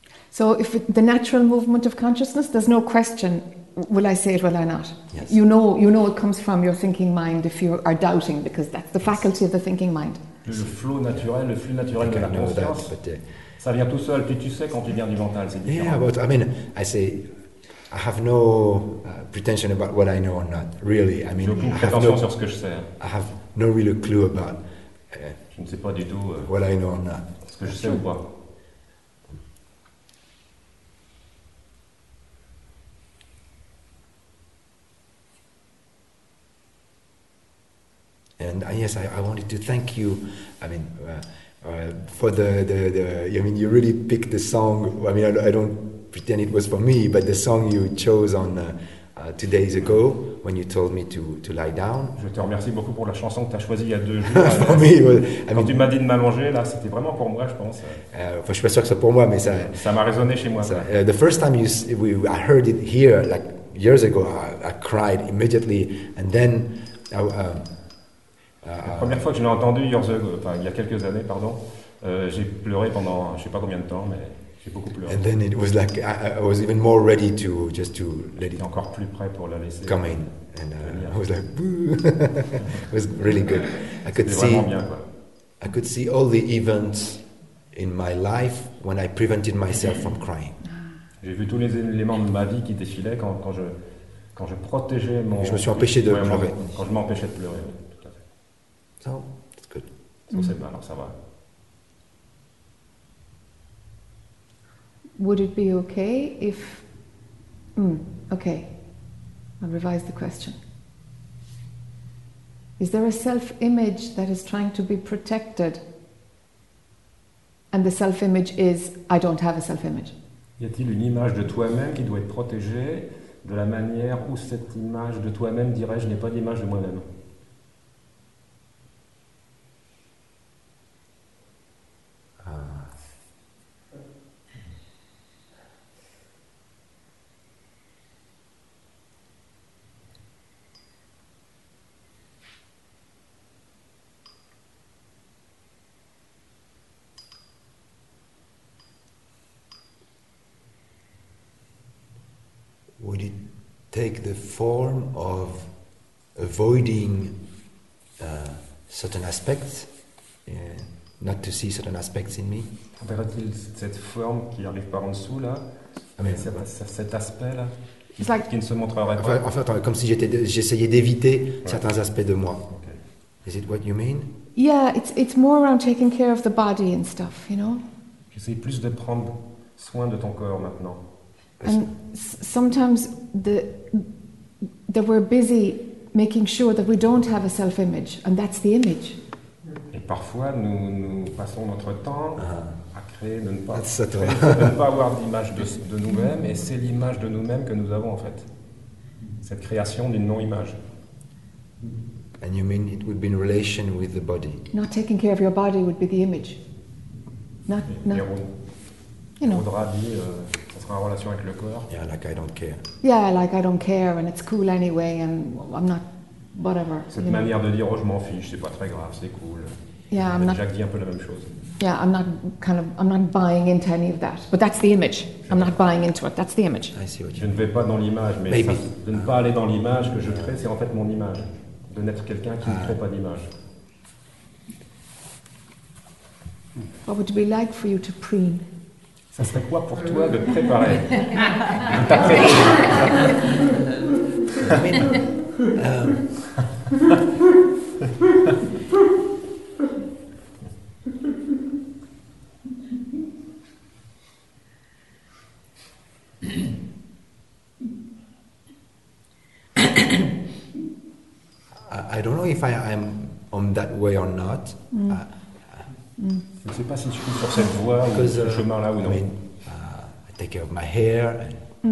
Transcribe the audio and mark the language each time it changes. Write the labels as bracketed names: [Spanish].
[English] So if the natural movement of consciousness, there's no question, will I say it, will I not? Yes. You know it comes from your thinking mind if you are doubting, because that's the yes. faculty of the thinking mind. [French] Le flux naturel de la conscience, ça vient tout seul, puis tu sais quand tu viens du mental, c'est différent. [English] Yeah, but I mean, I have no pretension about what I know or not, really. I mean, [French] j'ai aucune prétention sur ce que je sais. [English] I have no real clue about [French] je ne sais pas du tout [English] what I know or not. [French] Ce que je sais ou pas. [English] And yes, I wanted to thank you. I mean, for the. I mean, you really picked the song. I mean, I don't pretend it was for me, but the song you chose on 2 days ago when you told me to lie down. [French] Je te remercie beaucoup pour la chanson que tu as choisie il y a 2 jours. [English] For me, well, I mean, [French] quand tu m'as dit de m'allonger, là, c'était vraiment pour moi, je pense. Enfin, je suis pas sûr que c'est pour moi, mais ça. Ça m'a résonné chez moi. Ça, [English] the first time I heard it here like years ago, I cried immediately, and then. [French] La première fois que je l'ai entendu, il y a quelques années, pardon, j'ai pleuré pendant, je ne sais pas combien de temps, mais j'ai beaucoup pleuré. [English] And then it was like I was even more ready to just to let it. [French] Encore plus prêt pour la laisser. [English] Come in, and I was like, boo. It was really good. I could [French] C'était [English] see. [French] Vraiment bien, quoi. [English] I could see all the events in my life when I prevented myself from crying. [French] J'ai vu tous les éléments de ma vie qui défilaient quand je protégeais mon. Je me suis empêché de pleurer. Ouais, quand je m'empêchais de pleurer. [English] So, it's good. [French] C'est bon, alors ça va. [English] Would it be okay if... okay. I'll revise the question. Is there a self-image that is trying to be protected? And the self-image is, I don't have a self-image. [French] Y a-t-il une image de toi-même qui doit être protégée de la manière où cette image de toi-même dirait, je n'ai pas d'image de moi-même? [English] Take the form of avoiding certain aspects, not to see certain aspects in me. [French] Verrait-il cette forme qui arrive par en dessous là, [English] I mean, [French] cet aspect là, qui ne se montrerait pas. En fait, comme si j'essayais d'éviter certains aspects de moi. [English] Okay. Is it what you mean? Yeah, it's more around taking care of the body and stuff, you know. [French] J'essaie plus de prendre soin de ton corps maintenant. [English] And sometimes that we're busy making sure that we don't have a self-image, and that's the image. [French] Et parfois nous passons notre temps à créer de ne pas avoir d'image de nous-mêmes, et c'est l'image de nous-mêmes que nous avons en fait. Cette création d'une non-image. [English] And you mean it would be in relation with the body? Not taking care of your body would be the image. Not. You know. [French] Faudra dire. En relation avec le corps. [English] Yeah, like I don't care. Yeah, like I don't care, and it's cool anyway, and I'm not, whatever. [French] Cette manière de dire, oh, je m'en fiche, c'est pas très grave, c'est cool. [English] Yeah, I'm not. [French] Jacques dit un peu la même chose. [English] Yeah, I'm not kind of, I'm not buying into any of that. But that's the image. I'm not buying into it. That's the image. I see what you mean. [French] Je ne vais pas dans l'image, mais [English] maybe. [French] De ne pas aller dans l'image que je crée, c'est en fait mon image. De n'être quelqu'un qui ne crée pas d'image. [English] What would it be like for you to preen? [French] Ça serait quoi pour toi de préparer? De t'apprêter? [English] I mean, I don't know if I am on that way or not. [French] Je ne sais pas si je suis sur cette voie ou ce chemin-là ou non. [English] I mean, I take care of my hair and